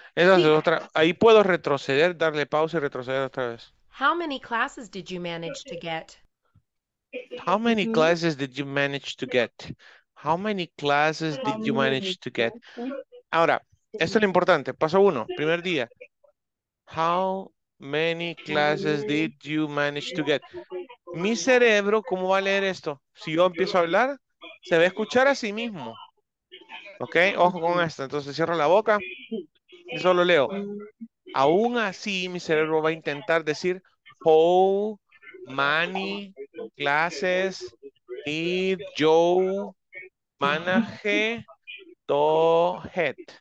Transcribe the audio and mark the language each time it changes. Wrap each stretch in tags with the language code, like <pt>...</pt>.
<es>Entonces, otra, ahí puedo retroceder, darle pausa y retroceder otra vez.</es> <en>How many classes did you manage to get? How many classes did you manage to get? How many classes did you manage to get?</en> <es>Ahora, esto es lo importante. Paso uno, primer día.</es> <en>How many classes did you manage to get?</en> <es>Mi cerebro, ¿cómo va a leer esto? Si yo empiezo a hablar, se va a escuchar a sí mismo. ¿Ok? Ojo con esto. Entonces, cierro la boca. Y solo leo. Aún así, mi cerebro va a intentar decir</es> <en>how many classes did you manage to get.</en>